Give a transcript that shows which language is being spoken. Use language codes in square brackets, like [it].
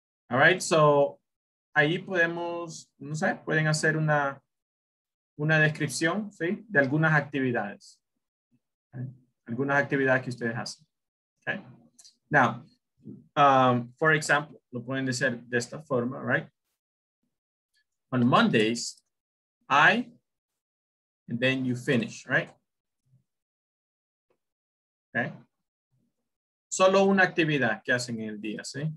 [en] All right, so... [es] Ahí podemos, no sé, pueden hacer una descripción, ¿sí? De algunas actividades. ¿Sí? Algunas actividades que ustedes hacen. ¿Sí? [en] Now, for example, [es] lo pueden decir de esta forma, [en] right? On Mondays, I, and then you finish, right? [es] ¿Sí? Solo una actividad que hacen en el día, ¿sí?